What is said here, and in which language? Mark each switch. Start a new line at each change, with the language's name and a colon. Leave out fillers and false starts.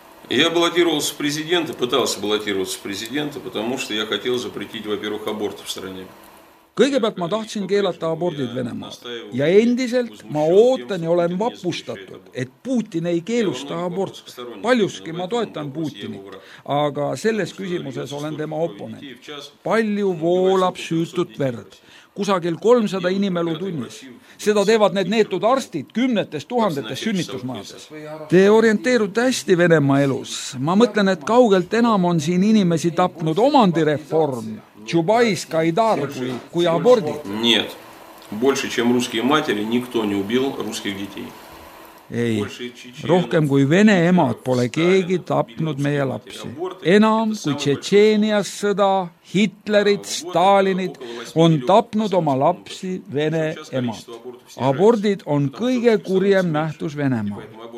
Russian: Я баллотировался в президенты, пытался баллотироваться в президенты, потому что я хотел запретить, во-первых, аборт в стране.
Estonian: Kõigepealt ma tahtsin keelata abordid Venemaal. Ja endiselt ma ootan ja olen vapustatud, et Putin ei keelusta abort. Paljuski ma toetan Putinit, aga selles küsimuses olen tema oponent. Palju voolab süütut verd. kusagil 300 inimelu tunnis. Seda teevad need neetud arstid kümnetes tuhandetes sünnitusmaades. Te orienteerute hästi Venema elus. Ma mõtlen, et kaugelt enam on siin inimesi tapnud omandireform. Чубайс, Кайдар, kui абордит?
Russian: Нет. Больше, чем русские матери, никто не убил русских детей.
Estonian: Ei, rohkem kui vene emad pole keegi tapnud meie lapsi. Enam kui Tšetšeenias sõda, Hitlerid, Stalinid on tapnud oma lapsi vene emad. Abordid on kõige kurjem nähtus Venemaal.